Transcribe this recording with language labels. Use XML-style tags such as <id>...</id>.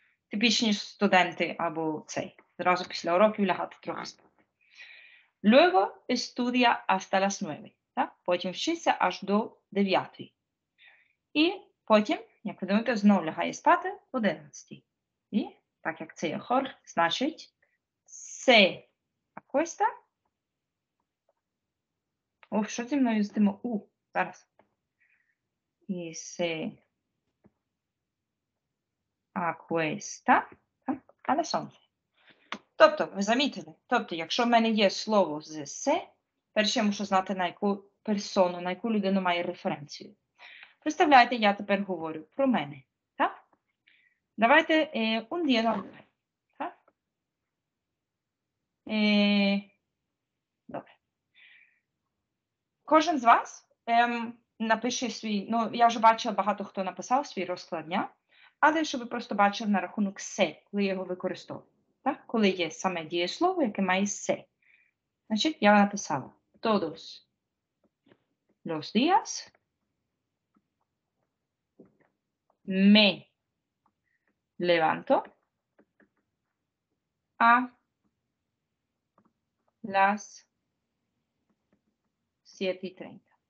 <uk>Типічні студенти або цей. Зразу після уроків лягати трохи спати.</uk> <es>Luego estudia hasta las 9.</es> <uk>Так? Потім вчиться аж до 9. І потім, як ви думаєте, знову лягає спати в 11. І так як це є хор, значить</uk> <es>«се акуеста».</es> <uk>Ох, що зі мною здимо? «У» зараз. І</uk> <es>«се акуеста»,</es> <uk>так? Але сонце. Тобто, ви замітили? Тобто, якщо в мене є слово з «се», перше я мушу знати, на яку персону, на яку людину має референцію. Представляєте, я тепер говорю про мене, так? Давайте</uk> <es>«un día no».</es> <uk>Добре. Кожен з вас напише свій, ну, я вже бачила, багато хто написав свій розклад дня, але щоб ви просто бачили на рахунок «се», коли я його використовую. Так? Коли є саме дієслово, яке має «се». Значить, я написала.</uk> <es>todos los días me levanto a las 7:30.</es>